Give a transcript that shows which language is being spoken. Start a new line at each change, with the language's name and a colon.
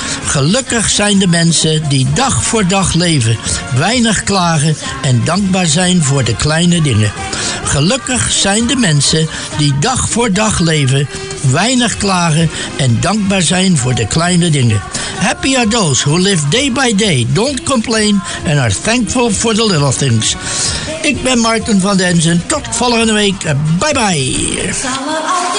Dutch: Gelukkig zijn de mensen die dag voor dag leven, weinig klagen en dankbaar zijn voor de kleine dingen. Gelukkig zijn de mensen die dag voor dag leven, weinig klagen en dankbaar zijn voor de kleine dingen.
English: Happy are those who live day by day, don't complain and are thankful for the little things.
Dutch: Ik ben Martin van Denzen, tot volgende week, bye bye.